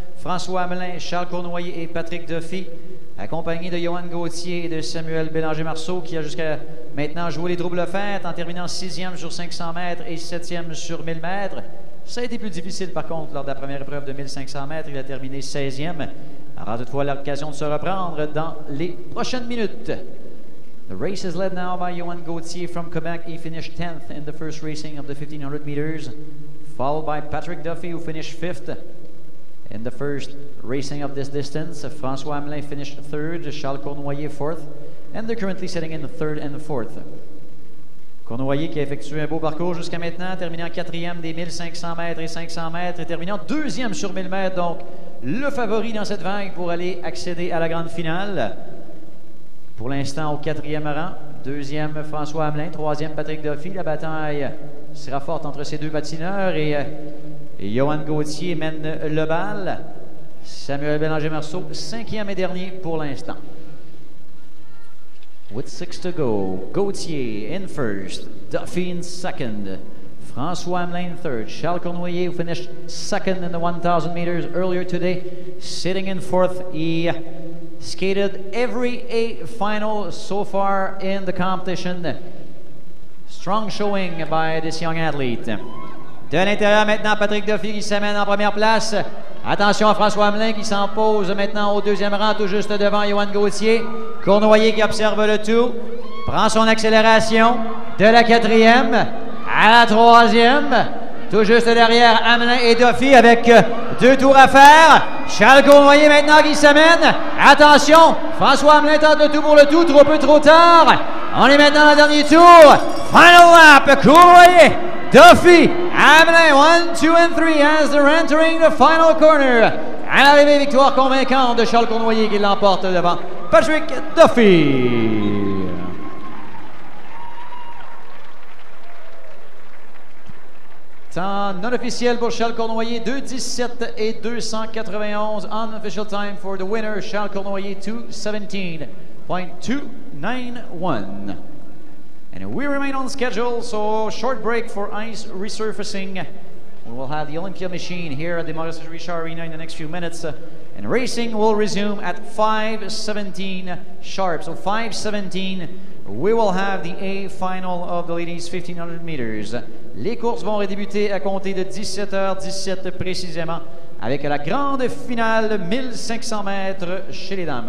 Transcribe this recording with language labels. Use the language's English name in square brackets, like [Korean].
[French] François Hamelin, Charles Cournoyer et Patrick Duffy, accompagnés de Johan Gauthier et de Samuel Bélanger-Marceau qui a jusqu'à maintenant joué les troubles fêtes en terminant 6e sur 500 mètres et 7e sur 1000 mètres. Ça a été plus difficile, par contre, lors de la première épreuve de 1500 mètres. Il a terminé 16e. Il aura toutefois l'occasion de se reprendre dans les prochaines minutes. [English] The race is led now by Johan Gauthier from Quebec. He finished 10th in the first racing of the 1500 meters, followed by Patrick Duffy, who finished 5th in the first racing of this distance. François Hamelin finished 3rd, Charles Cournoyer 4th, and they're currently sitting in 3rd and 4th. [French] Cournoyer qui a effectué un beau parcours jusqu'à maintenant, terminant 4e des 1500 mètres et 500 mètres et terminant 2e sur 1000 mètres, donc le favori dans cette vague pour aller accéder à la grande finale. Pour l'instant au 4e rang, 2e François Hamelin, 3e Patrick Duffy. La bataille sera forte entre ces deux patineurs et Johan Gauthier mène le bal. Samuel Bélanger-Marceau, 5e et dernier pour l'instant. [English] With 6 to go, Gauthier in first, Duffy in second, François Hamelin third, Charles Cournoyer who finished second in the 1,000 meters earlier today, sitting in fourth. He skated every A final so far in the competition. Strong showing by this young athlete. [French] De l'intérieur maintenant, Patrick Duffy qui s'amène en première place. Attention à François Hamelin qui s'impose maintenant au deuxième rang, tout juste devant Johan Gauthier. Cournoyer qui observe le tout, prend son accélération de la quatrième à la troisième. Tout juste derrière Hamelin et Duffy avec deux tours à faire. Charles Cournoyer maintenant qui s'amène. Attention, François Hamelin tente le tout pour le tout, trop peu trop tard. On est maintenant dans le dernier tour. [English] Final lap, Cournoyer, Duffy, Hamelin, 1, 2 and 3 as they're entering the final corner. [French] À l'arrivée, victoire convaincante de Charles Cournoyer qui l'emporte devant Patrick Duffy. Temps non officiel pour Charles Cournoyer, 2:17 et 291. [English] Unofficial time for the winner, Charles Cournoyer, 2:17.291. And we remain on schedule, so short break for ice resurfacing. We will have the Olympia machine here at the Maurice Richard Arena in the next few minutes. And racing will resume at 5:17 sharp. So 5:17, we will have the A final of the ladies 1500 meters. [French] Les courses vont redébuter à compter de 17h17 précisément avec la grande finale 1500 mètres chez les dames.